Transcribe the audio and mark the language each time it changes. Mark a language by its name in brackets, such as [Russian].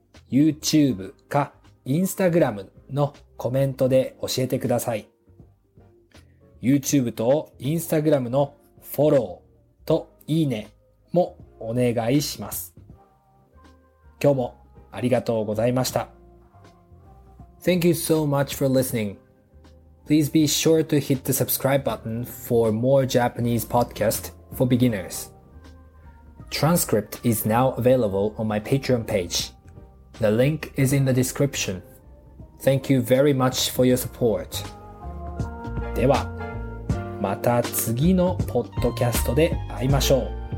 [Japanese] YouTube か Instagram のコメントで教えてください。 YouTube と Instagram のフォローといいねもお願いします。今日もありがとうございました。 [English] Thank you so much for listening. Please be sure to hit the subscribe button for more Japanese podcast for beginners. Transcript is now available on my Patreon page. The link is in the description. Thank you very much for your support. [Japanese] では、また次のポッドキャストで会いましょう。